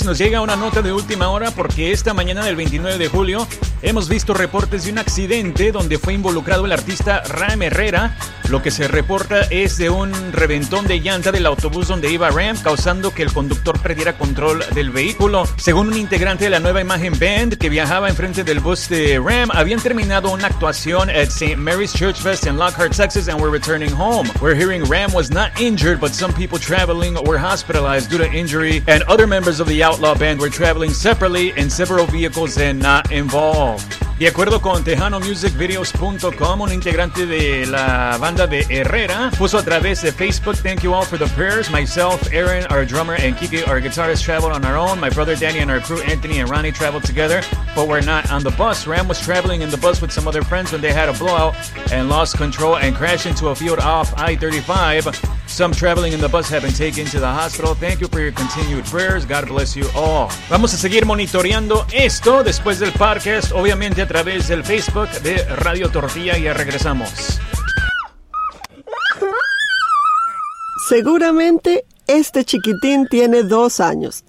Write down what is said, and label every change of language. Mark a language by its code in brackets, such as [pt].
[es] Señores, nos llega una nota de última hora porque esta mañana del 29 de julio hemos visto reportes de un accidente donde fue involucrado el artista Ram Herrera. Lo que se reporta es de un reventón de llanta del autobús donde iba Ram, causando que el conductor perdiera control del vehículo. Según un integrante de la Nueva Imagen Band que viajaba enfrente del bus de Ram, habían terminado una actuación [en] at St. Mary's Church Fest in Lockhart, Texas, and were returning home. We're hearing Ram was not injured, but some people traveling were hospitalized due to injury, and other members of the Outlaw Band were traveling separately in several vehicles and not involved. [es] De acuerdo con TejanoMusicVideos.com, un integrante de la banda de Herrera puso a través de Facebook, [en] "Thank you all for the prayers. Myself, Aaron, our drummer, and Kiki, our guitarist, traveled on our own. My brother Danny and our crew, Anthony and Ronnie, traveled together, but we're not on the bus. Ram was traveling in the bus with some other friends when they had a blowout and lost control and crashed into a field off I-35. Some traveling in the bus have been taken to the hospital. Thank you for your continued prayers. God bless you all." [es] Vamos a seguir monitoreando esto después del podcast, obviamente a través del Facebook de Radio Tortilla. Ya regresamos. Seguramente este chiquitín tiene 2 años.